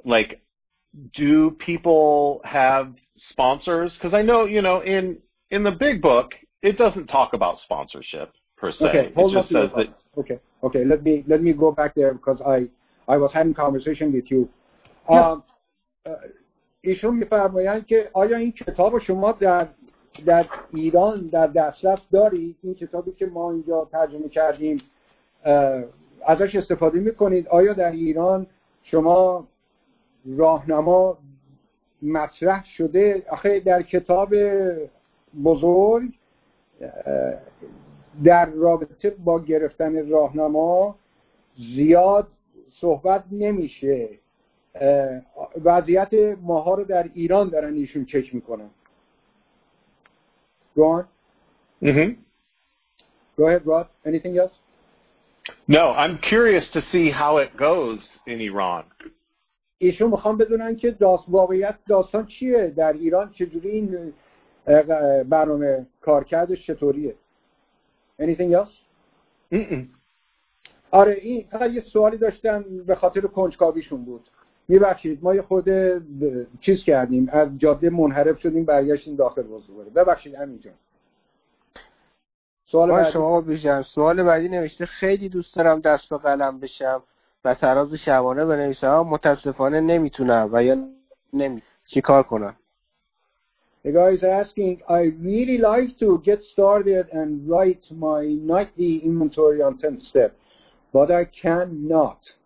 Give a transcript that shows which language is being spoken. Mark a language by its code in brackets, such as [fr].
[en] Like, do people have sponsors? Because I know, you know, in the big book, it doesn't talk about sponsorship per se. Okay, hold it just up says that. Okay. Okay, let me go back there because I was having a conversation with you. [fa] ایشون میفرمایند که آیا این کتاب شما در ایران در دسترس دارید؟ این کتابی که ما اینجا ترجمه کردیم ازش استفاده میکنید؟ آیا در ایران شما راهنما مطرح شده؟ آخه در کتاب بزرگ در رابطه با گرفتن راهنما زیاد صحبت نمیشه. وضعیت ماها رو در ایران دارن ایشون چک میکنن. [en] Go on. Mm-hmm. Go ahead, Rod. Anything else? No, I'm curious to see how it goes in Iran. [fa] ایشون میخوام بدونن که واقعیت داستان چیه در ایران، چجوری این برنامه کارکردش چطوریه؟ [en] Anything else؟ [fa] آره این فقط یه سوالی داشتم به خاطر کنجکاویشون بود. میبخشید ما یه خورده چیز کردیم، از جاده منحرف شدیم برگشتیم داخل بازوره. ببخشید امین جان. سوال بعدی شما بیشتر. سوال بعدی نوشته خیلی دوست دارم دست به قلم بشم و تراز شبانه بنویسم، متاسفانه نمیتونم و یا چیکار کنم؟ [en] The guy is asking, I really like to get started and write my nightly inventory on 10th step, but I cannot.